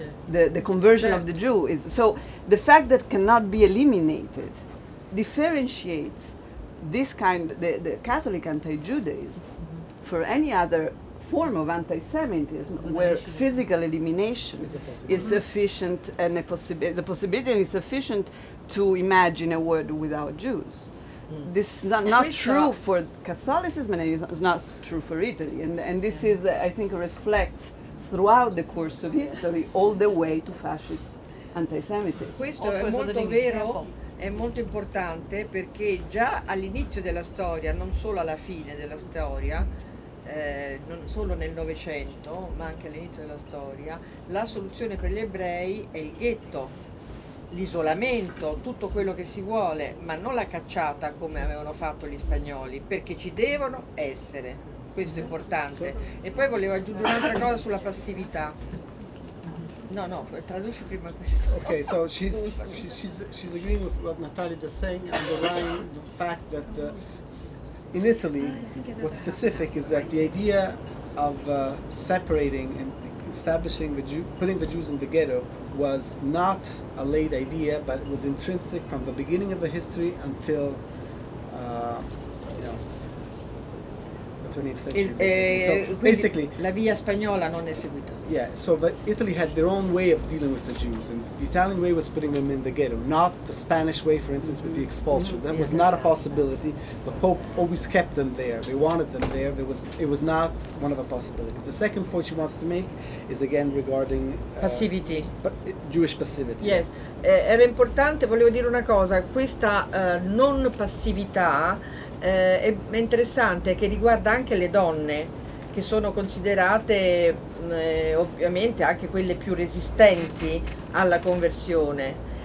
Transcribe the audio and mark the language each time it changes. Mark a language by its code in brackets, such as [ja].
[en] The conversion of the Jew is so the fact that cannot be eliminated differentiates this kind the Catholic anti-Judaism for any other form of anti-Semitism, where physical elimination is sufficient and the possibility is sufficient to imagine a world without Jews. Mm. This is not true for Catholicism, and it's not true for Italy. And this is, I think, reflects throughout the course of history, all the way to fascist anti-Semitism. [it] Questo [en] also [it] è molto vero, è molto importante, perché già all'inizio della storia, non solo alla fine della storia, non solo nel Novecento, ma anche all'inizio della storia, la soluzione per gli ebrei è il ghetto, l'isolamento, tutto quello che si vuole, ma non la cacciata come avevano fatto gli spagnoli, perché ci devono essere, questo è importante. E poi volevo aggiungere un'altra cosa sulla passività. No, traduci prima questo. [en] Ok, so she's agreeing with what Natalia just saying, underlying the fact that in Italy, what's specific is that the idea of separating and establishing the Jews, putting the Jews in the ghetto, was not a late idea, but it was intrinsic from the beginning of the history until, the 20th century. Basically, [it] la via spagnola non è seguita. [en] Yeah, so Italy had their own way of dealing with the Jews, and the Italian way was putting them in the ghetto, not the Spanish way, for instance, with the expulsion. That was not a possibility. The Pope always kept them there. They wanted them there. It was not one of the possibilities. The second point she wants to make is again regarding passivity. Jewish passivity. [it] Yes, era importante. Volevo dire una cosa. Questa non passività è interessante, che riguarda anche le donne, che sono considerate ovviamente anche quelle più resistenti alla conversione.